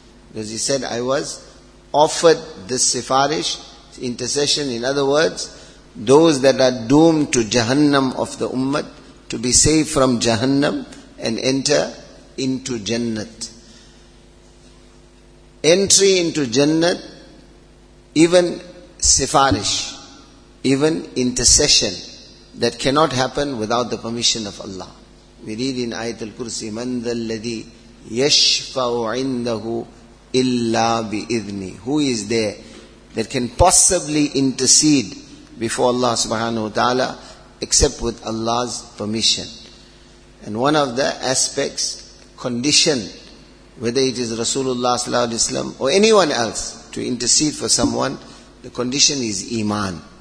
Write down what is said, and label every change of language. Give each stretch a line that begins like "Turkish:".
English: Because he said, I was offered this sifarish, intercession, in other words, those that are doomed to Jahannam of the Ummah, to be saved from Jahannam and enter into Jannat. Entry into Jannat, even sifarish, even intercession, that cannot happen without the permission of Allah. We read in Ayatul Kursi,
Arabic: مَنْ ذَا الَّذِي يَشْفَعُ عِنْدَهُ إِلَّا بِإِذْنِي.
English: Who is there that can possibly intercede before Allah subhanahu wa ta'ala except with Allah's permission? And one of the aspects, condition, whether it is Rasulullah sallallahu alayhi wa sallam or anyone else to intercede for someone, the condition is iman.